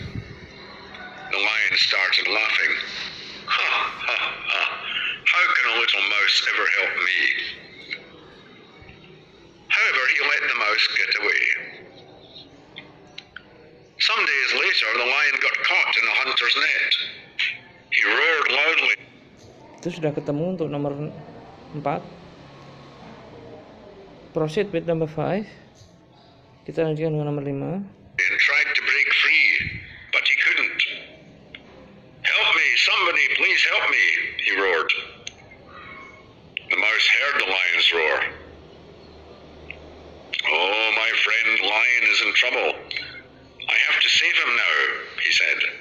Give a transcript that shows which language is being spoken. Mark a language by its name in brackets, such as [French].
[English] The lion started laughing. Ha, ha, ha. How can a little mouse ever help me? However, he let the mouse get away. Some days later, the lion got caught in the hunter's net. He roared loudly. [Indonesian] Itu sudah ketemu untuk nomor 4. [English] Proceed with number 5. [Indonesian] Kita lanjutkan dengan nomor 5. [English] He tried to break free, but he couldn't. Help me, somebody, please help me, he roared. The mouse heard the lion's roar. Oh, my friend, lion is in trouble. I have to save him now, he said.